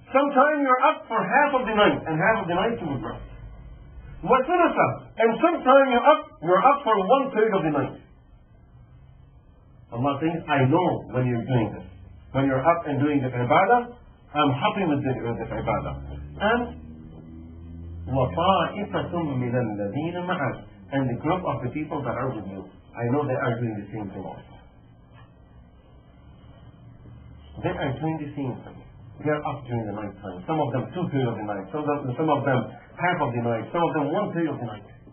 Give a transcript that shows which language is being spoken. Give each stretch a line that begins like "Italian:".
English: Sometime you're up for half of the night, and half of the night you would rest.
Arabic: وَثُلُثَ.
English: And sometime you're up for one third of the night. Allah says, I know when you're doing this. When you're up and doing the ibadah, I'm happy with the ibadah.
Arabic: And وَطَائِفَةٌ مِنَ الَّذِينَ مَعَكَ.
English: And the group of the people that are with you, I know they are doing the same thing also. They are doing the same thing. They are up during the night time. Some of them two thirds of the night. Some of them half of the night. Some of them one third of the night.